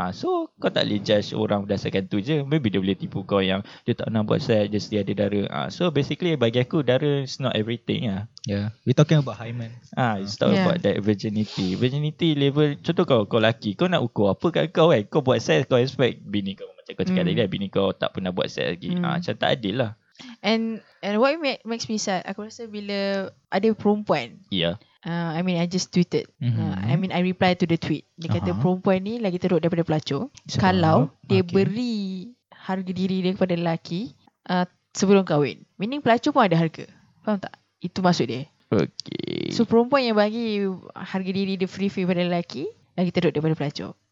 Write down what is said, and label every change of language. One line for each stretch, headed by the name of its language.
Malay: So kau tak boleh judge orang berdasarkan tu je. Maybe dia boleh tipu kau yang dia tak nak buat sex, dia still ada darah.
English: So basically
Malay: bagi aku, darah
English: is not everything. We talking about hymen. About that virginity. Virginity level,
Malay: contoh kau lelaki, kau nak ukur apa kat kau kan? Kau buat sex, kau expect bini kau, kau cakap tadi bini kau tak pernah buat sex lagi. Macam tak adil lah.
English: And what makes me sad,
Malay: aku rasa bila ada perempuan
English: I mean, I just tweeted. Mm-hmm. I mean, I reply to the tweet.
Malay: Dia kata perempuan ni lagi teruk daripada pelacur. So, kalau dia beri harga diri dia kepada lelaki sebelum kahwin. Meaning pelacur pun ada harga. Faham tak? Itu maksud dia. Okay. So, perempuan yang bagi harga diri dia free-free kepada lelaki, lagi teruk daripada pelacur.